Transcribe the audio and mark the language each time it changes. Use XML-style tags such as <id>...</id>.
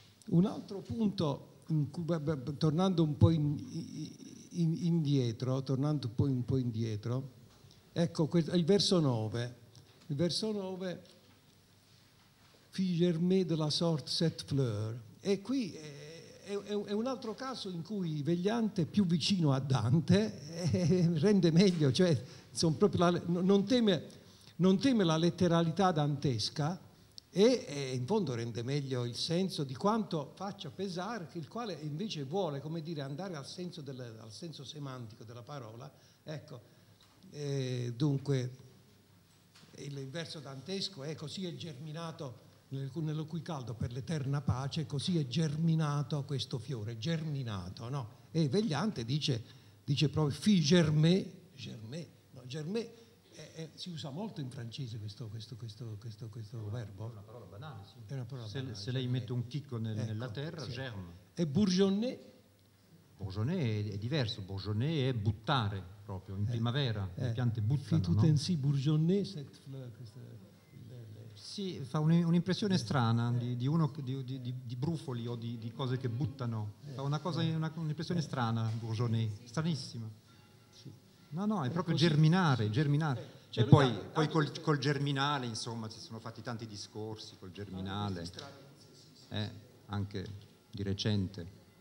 <it>Un altro punto, tornando un po' indietro, ecco, il verso 9. Il verso 9,</it> <fr>Fille germée de la sorte cette fleur.</fr> <it>E qui è un altro caso in cui Vegliante, più vicino a Dante, rende meglio, cioè sono proprio non teme la letteralità dantesca, e in fondo rende meglio il senso di quanto faccia pesare, il quale invece vuole, come dire, andare al senso semantico della parola. Ecco, dunque, il verso dantesco è: così è germinato nello cui caldo per l'eterna pace, così è germinato questo fiore, germinato, no? E Vegliante dice proprio</it> <fr>fille germée,</fr> <it>no, germée. Si usa molto in francese questo verbo. È una parola banale, sì. È una parola banale. Se lei mette un chicco nella terra, sì, germe. E bourgeonner? Bourgeonner è diverso. Bourgeonner è buttare, proprio, in primavera. Le piante buttano, no?</it> <fr>Tout ainsi bourgeonner cette fleur.</fr> <it>Sì, fa un'impressione strana di brufoli o di cose che buttano. Fa un'impressione strana, bourgeonner. Stranissima. No, è proprio così. germinare. Cioè, e poi col germinale, insomma, si sono fatti tanti discorsi col germinale, anche di recente.</it>